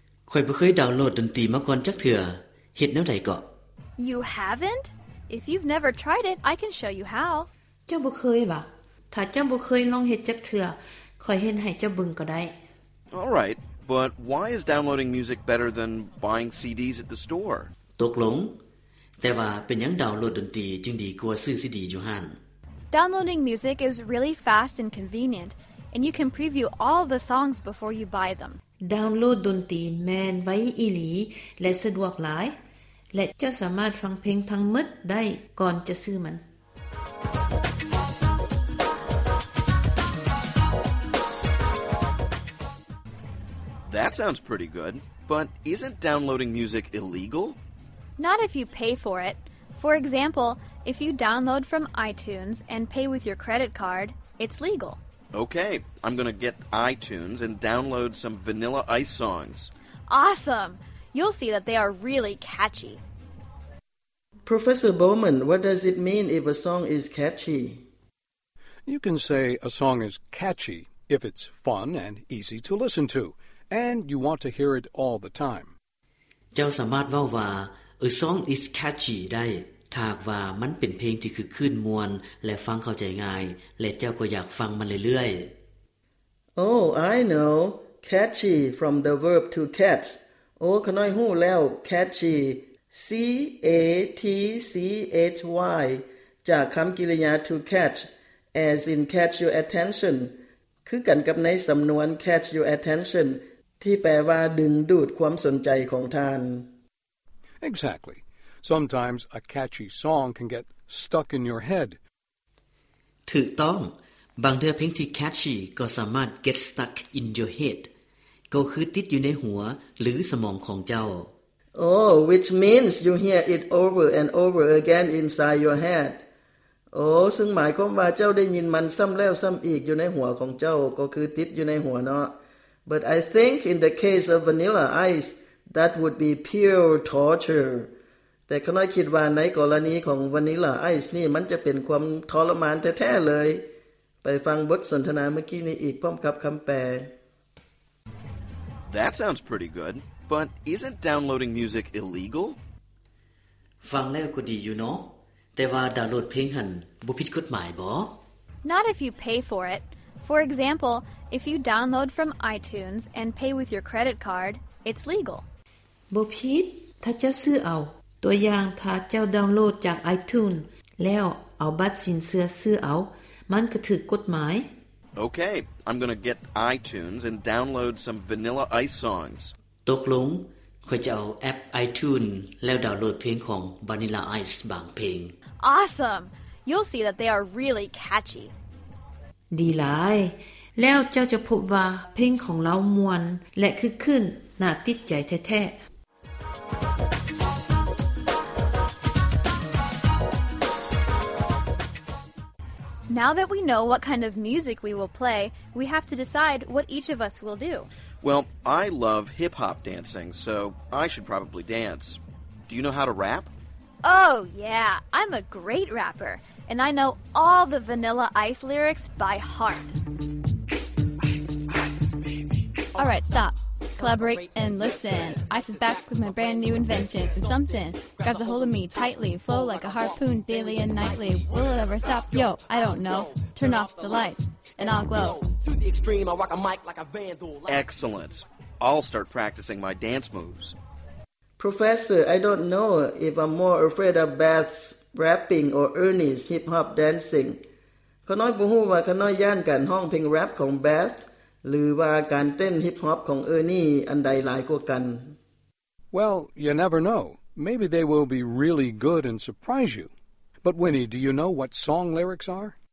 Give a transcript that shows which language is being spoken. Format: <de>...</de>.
<tts>ข้อยบ่เคยดาวน์โหลดดนตรีมาก่อนจักเทื่อเฮ็ดแนวใดก่</tts> <en>อ You haven't? If you've never tried it, I can show you how.</en> <tts>เจ้าบ่เคยบ่ถ้าเจ้าบ่เคยลองเฮ็ดจักเทื่อข่อยเฮ็ดให้เจ้าเบิ่งก็ได้</tts> <en>All right, but why is downloading music better than buying CDs at the store?</en> <tts>ตกลงแต่ว่าเป็นหยังดาวน์โหลดดนตรีจึงดีกว่าซื้อซีดีอยู่หั่น</tts> <en>Downloading music is really fast and convenient, and you can preview all the songs before you buy them.</en> <tts>Download ดนตรีแม่นไว้อีหลีและสะดวกหลายและเจ้าสามารถฟังเพลงทั้งหมดได้ก่อนจะซื้อมัน</tts> <en>That sounds pretty good, but isn't downloading music illegal? Not if you pay for it. For example, if you download from iTunes and pay with your credit card, it's legal. Okay, I'm going to get iTunes and download some Vanilla Ice songs. Awesome! You'll see that they are really catchy. Professor Bowman, what does it mean if a song is catchy? You can say a song is catchy if it's fun and easy to listen to, and you want to hear it all the time.</en> <tts>เจ้าสามารถว่าว่า</tts> <en>a song is catchy</en> <tts>ได้ถ้าว่ามันเป็นเพลงที่คือคืนมวนและฟังเข้าใจง่ายและเจ้าก็อยากฟังมันเรื่อย</tts> <en>ๆ Oh, I know. Catchy from the verb to catch.</en> <tts>Oh, ขน้อยฮู้แล้ว catchyC-A-T-C-H-Y จากคำกริยา</tts> <en>to catch as in catch your attention</en> <tts>คือกันกับในสำนวน catch your attention ที่แปลว่าดึงดูดความสนใจของท่าน</tts> <en>Exactly. Sometimes a catchy song can get stuck in your head.</en> <tts>ถูกต้องบางเดือเพลงที่ catchy ก็สามารถ</tts> <en>get stuck in your head</en> <tts>ก็คือติดอยู่ในหัวหรือสมองของเจ้า</tts> <en>Oh, which means you hear it over and over again inside your head.</en> <tts>Oh, ซึ่งหมายความว่าเจ้าได้ยินมันซ้ําแล้วซ้ําอีกอยู่ในหัวของเจ้าก็คือติดอยู่ในหัวเนาะ</tts> <en>But I think in the case of Vanilla Ice, that would be pure torture.</en> <tts>แต่ข้าน้อยคิดว่าในกรณีของ Vanilla Ice นี่มันจะเป็นความทรมานแท้ๆเลยไปฟังบทสนทนาเมื่อกี้นี้อีกพร้อมกับคําแปล</tts> <en>That sounds pretty good. But isn't downloading music illegal?</en> <tts>ฟังแล้วก็ดีอยู่เนาะแต่ว่าดาวน์โหลดเพลงหั่นบ่ผิดกฎหมายบ่</tts> <en>Not if you pay for it. For example, if you download from iTunes and pay with your credit card, it's legal.</en> <tts>บ่ผิดถ้าเจ้าซื้อเอาตัวอย่างถ้าเจ้าดาวน์โหลดจาก iTunes แล้วเอาบัตรสินเชื่อซื้อเอามันก็ถูกกฎหมาย</tts> <en>Okay, I'm going to get iTunes and download some Vanilla Ice songs.</en> <tts>ตกลงข้อยจะเอาแอป iTunes แล้วดาวน์โหลดเพลงของ Vanilla Ice บางเพลง</tts> <en>Awesome! You'll see that they are really catchy.</en> <tts>ดีหลายแล้วเจ้าจะพบว่าเพลงของเรามวนและคึกคืนน่าติดใจแท้ๆ</tts> <en>Now that we know what kind of music we will play, we have to decide what each of us will do. Well, I love hip-hop dancing, so I should probably dance. Do you know how to rap? Oh, yeah. I'm a great rapper, and I know all the Vanilla Ice lyrics by heart. Ice, baby. All right, stop. Collaborate and listen. Ice is back with my brand new invention. Something. grabs a hold of me tightly, flow like a harpoon daily and nightly. Will it ever stop? Yo, I don't know. Turn off the lights and I'll glow. Through the extreme, I rock a mic like a vandal. Excellent. I'll start practicing my dance moves. Professor, I don't know if I'm more afraid of Beth's rapping or Ernie's hip-hop dancing.</en> <tts>เขาน้อยผู้หูว่าเขาน้อยย่านกันห้องเพลงแรปของแบธหรือว่าการเต้นฮิปฮอปของเออร์นี่อันใดหลายกว่ากัน</tts> <en>Well, you never know. Maybe they will be really good and surprise you. But Winnie, do you know what song lyrics are?</en>